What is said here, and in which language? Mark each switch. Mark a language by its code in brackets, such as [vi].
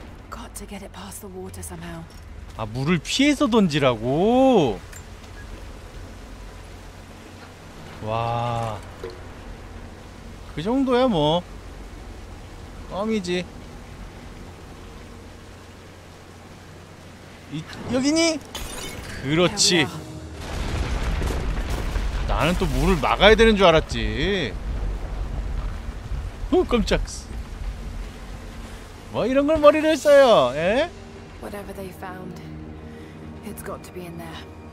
[en] Got to get it past the water somehow. [ko] 아, 물을 피해서 던지라고. 와, 그 정도야 뭐 껌이지. 이, 여기니? 그렇지. 나는 또 물을 막아야 되는 줄 알았지. 오, 깜짝. 뭐 이런 걸 머리를 써요, 에? [en] Whatever they found, it's got to be in there.